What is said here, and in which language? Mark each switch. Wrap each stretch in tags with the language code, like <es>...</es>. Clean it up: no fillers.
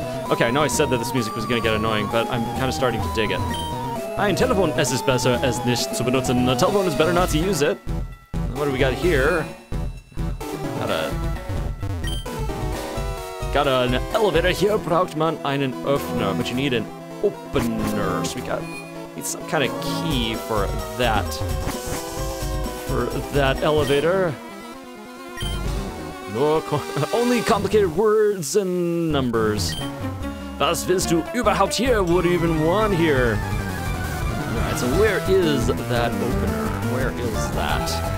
<en>Okay, I know I said that this music was gonna get annoying, but I'm kind of starting to dig it.</en> <de>Ein Telefon, es ist besser es nicht zu benutzen.</de> <en>A telephone is better not to use it. What do we got here? Got an elevator here,</en> <de>braucht man einen Öffner.</de> <en>But you need an opener. So we got, need some kind of key for that. For that elevator. Only complicated words and numbers.</en> <de>Was willst du überhaupt hier?</de> <en>What do you even want here? Alright, so where is that opener? Where is that?</en>